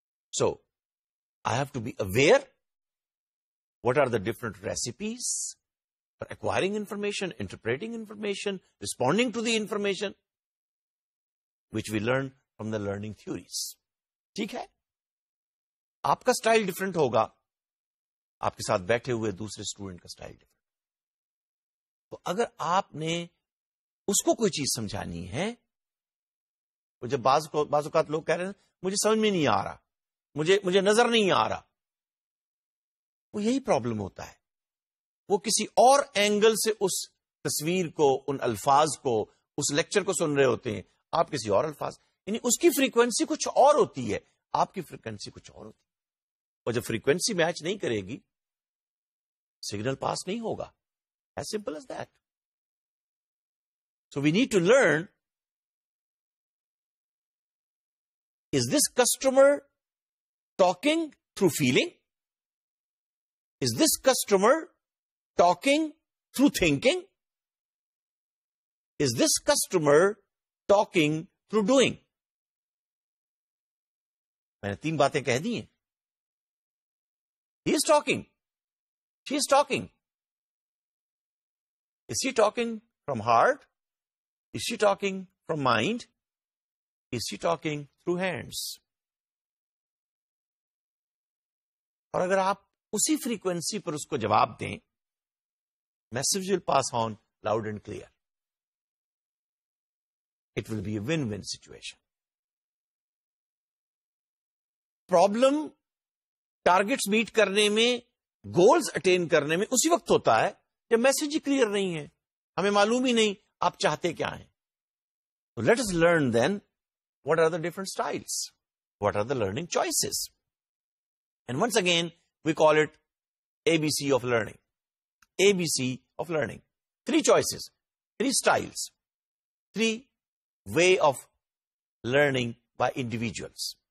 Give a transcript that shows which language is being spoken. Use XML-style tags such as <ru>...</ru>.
<en>So, I have to be aware. What are the different recipes? But acquiring information, interpreting information, responding to the information, which we learn from the learning theories.</en> <ur>ٹھیک ہے؟ آپ کا style different ہوگا آپ کے ساتھ بیٹھے ہوئے دوسرے اسٹوڈنٹ کا اسٹائل ڈفرنٹ. تو اگر آپ نے اس کو کوئی چیز سمجھانی ہے, وہ جب بعض اوقات لوگ کہہ رہے ہیں مجھے سمجھ میں نہیں آ رہا, مجھے نظر نہیں آ رہا, وہ یہی پرابلم ہوتا ہے. وہ کسی اور اینگل سے اس تصویر کو, ان الفاظ کو, اس لیکچر کو سن رہے ہوتے ہیں. آپ کسی اور الفاظ, یعنی اس کی فریکوینسی کچھ اور ہوتی ہے, آپ کی فریکوینسی کچھ اور ہوتی ہے. اور جب فریکوینسی میچ نہیں کرے گی سگنل پاس نہیں ہوگا.</ur> <en>As simple as that. So we need to learn, is this customer talking through feeling? Is this customer talking through thinking? Is this customer talking through doing?</en> <ur>میں نے تین باتیں کہہ دی ہیں.</ur> <en>He is talking. She is talking. Is she talking from heart? Is she talking from mind? Is she talking through hands?</en> <ur>اور اگر آپ اسی فریکوینسی پر اس کو جواب دیں,</ur> <en>message will pass on loud and clear. It will be a win-win situation.</en> <ur>Problem targets meet کرنے میں, goals attain کرنے میں اسی وقت ہوتا ہے جب message ہی clear نہیں ہے, ہمیں معلوم ہی نہیں آپ چاہتے کیا ہیں.</ur> <en>So let us learn then what are the different styles, what are the learning choices, and once again we call it ABC of learning. ABC of learning, three choices, three styles, three way of learning by individuals.</en>